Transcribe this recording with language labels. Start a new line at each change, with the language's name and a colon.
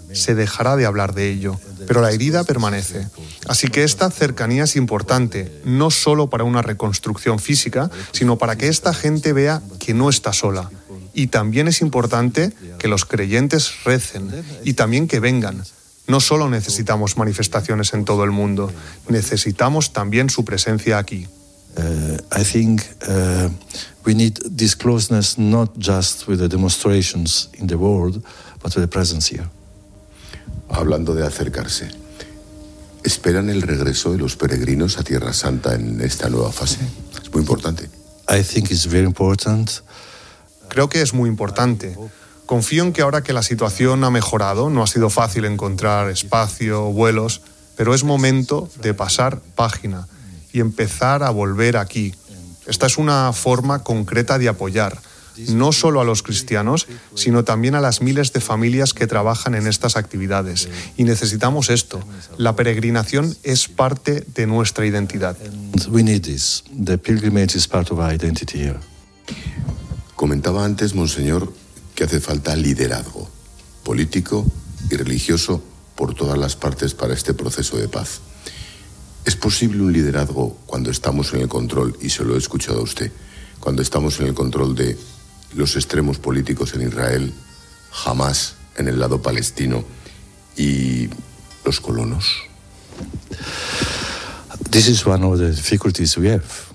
Spanish: se dejará de hablar de ello, pero la herida permanece. Así que esta cercanía es importante, no solo para una reconstrucción física, sino para que esta gente vea que no está sola. Y también es importante que los creyentes recen y también que vengan. No solo necesitamos manifestaciones en todo el mundo, necesitamos también su presencia aquí.
English: I think we need this closeness not just with the demonstrations in the world, but with the presence here.
Spanish: Hablando de acercarse, ¿esperan el regreso de los peregrinos a Tierra Santa en esta nueva fase? Es muy importante.
English: I think it's very important.
Spanish: Creo que es muy importante. Confío en que ahora que la situación ha mejorado, no ha sido fácil encontrar espacio, vuelos, pero es momento de pasar página y empezar a volver aquí. Esta es una forma concreta de apoyar, no solo a los cristianos, sino también a las miles de familias que trabajan en estas actividades. Y necesitamos esto. La peregrinación es parte de nuestra identidad.
English: We need this. The pilgrimage is part of our identity here.
Spanish: Comentaba antes, Monseñor, que hace falta liderazgo político y religioso por todas las partes para este proceso de paz. ¿Es posible un liderazgo cuando estamos en el control, y se lo he escuchado a usted, cuando estamos en el control de los extremos políticos en Israel, Hamas en el lado palestino y los colonos?
English: This is one of the difficulties we have.